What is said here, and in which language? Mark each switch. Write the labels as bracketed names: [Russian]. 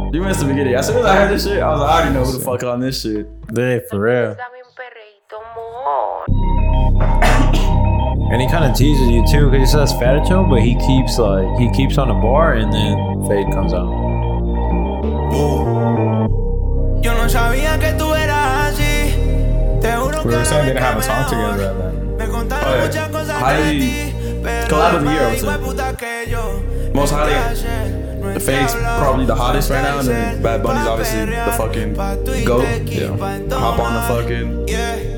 [English] You missed the beginning. As soon as I heard this shit, I was like, I already know who the fuck on this shit. Dude, for real. And he kind of teases you too, because he says Fadicho, but he keeps on a bar, and then Fade comes out. [Spanish] Yo no sabía que tú eras así. [English] We were saying they didn't have a song together at that. Oh, yeah. Highly collab of the year, I would say. Most highly. The Fade's probably the hottest right now, and then Bad Bunny's obviously the fucking GOAT. Yeah. Hop on the fucking.